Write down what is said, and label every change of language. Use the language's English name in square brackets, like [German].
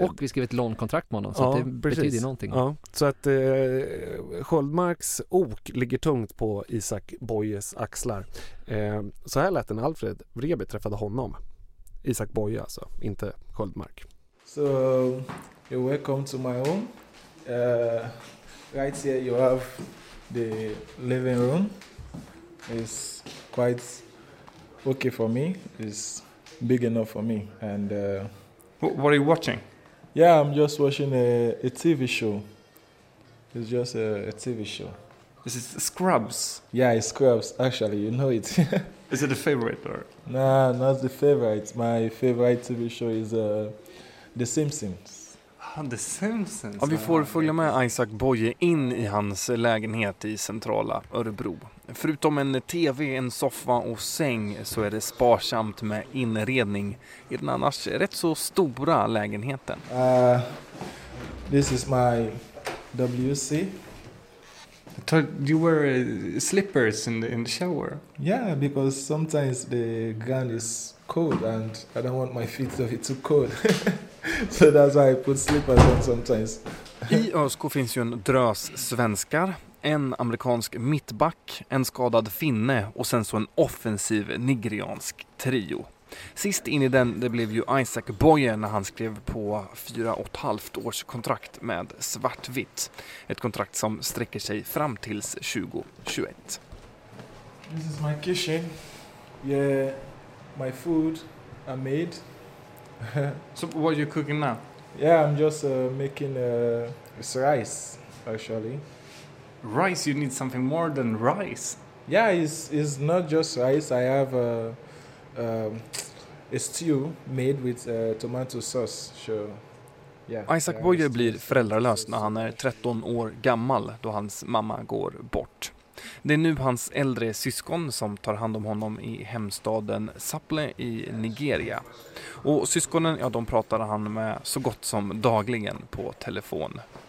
[Swedish] Och vi skrev ett lånkontrakt med honom, så det betyder någonting. Ja, så att Sköldmarks ok ligger tungt på Isak Bojes axlar. Så här lät en Alfred Vreby träffade honom. Isak Boje alltså, inte Sköldmark. [English] So, you're welcome to my home. Right here you have the living room. It's quite okay for me. It's big enough for me. And what are you watching? Yeah, I'm just watching a TV show. It's just a TV show. Is it Scrubs? Yeah, it's Scrubs, actually. You know it. Is it a favorite? Or? Nah, not the favorite. My favorite TV show is The Simpsons. The Simpsons. [Swedish] Ja, vi får följa med Isaac Boye in i hans lägenhet i centrala Örebro. Förutom en tv, en soffa och säng så är det sparsamt med inredning i den annars rätt så stora lägenheten. [English] This is my WC. I thought you wear slippers in the shower. Yeah, because sometimes the ground is cold and I don't want my feet to be too cold. So that's why I put slippers on sometimes. [Swedish] I ÖSK finns ju en drös svenskar, en amerikansk mittback, en skadad finne och sen så en offensiv nigeriansk trio. Sist in i den, det blev ju Isaac Boye när han skrev på 4,5 års kontrakt med Svartvitt. Ett kontrakt som sträcker sig fram tills 2021. [English] This is my kitchen. Yeah, my food I made. So what are you cooking now? Yeah, I'm just making rice, actually. Rice? You need something more than rice. Yeah, it's not just rice. I have a stew made with tomato sauce. So, yeah. [Swedish] Isaac Boye blir föräldralös när han är 13 år gammal då hans mamma går bort. Det är nu hans äldre syskon som tar hand om honom i hemstaden Sapele i Nigeria. Och syskonen, ja, de pratar han med så gott som dagligen på telefon.